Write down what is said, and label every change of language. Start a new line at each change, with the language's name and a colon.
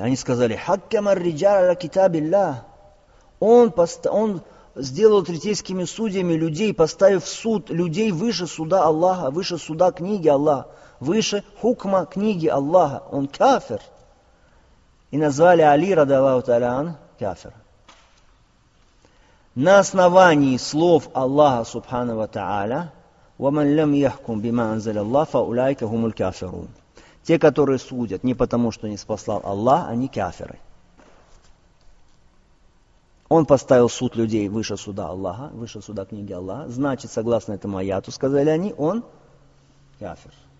Russian: Они сказали,
Arabic: «Хаккам ар-риджал аля китабиллах».
Russian: Он сделал третейскими судьями людей, поставив суд людей выше суда Аллаха, выше суда книги Аллаха, выше хукма книги Аллаха. Он кафир. И назвали Али, ради Аллаху Та'аля, кафир. На основании слов Аллаха, субхану ва та'аля,
Arabic: وَمَنْ لَمْ يَحْكُمْ بِمَا أَنْزَلَ اللَّهُ فَأُولَٰئِكَ هُمُ الْكَافِرُونَ.
Russian: Те, которые судят не потому, что не спасал Аллах, они кафиры. Он поставил суд людей выше суда Аллаха, выше суда книги Аллаха. Значит, согласно этому аяту, сказали они, он кафир.